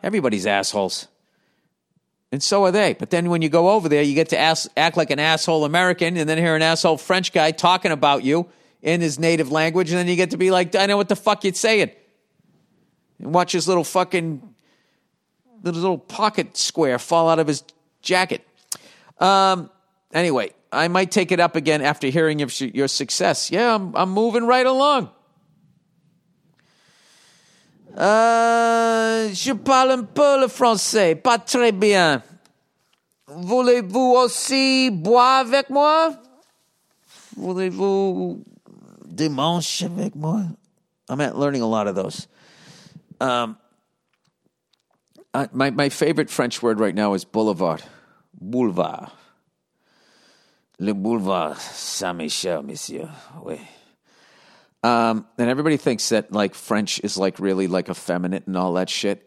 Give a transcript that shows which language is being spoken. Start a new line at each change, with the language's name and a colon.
English: Everybody's assholes. And so are they. But then when you go over there, you get to act like an asshole American and then hear an asshole French guy talking about you in his native language. And then you get to be like, I know what the fuck you're saying. And watch his little fucking little pocket square fall out of his jacket. Anyway, I might take it up again after hearing your success. Yeah, I'm moving right along.
French: Je parle un peu le français, pas très bien. Voulez-vous aussi boire avec moi? Voulez-vous dimanche avec moi?
English: I'm learning a lot of those. My favorite French word right now is boulevard. Boulevard.
French: Le boulevard Saint-Michel, monsieur. Oui.
English: And everybody thinks that, like, French is, like, really, like, effeminate and all that shit.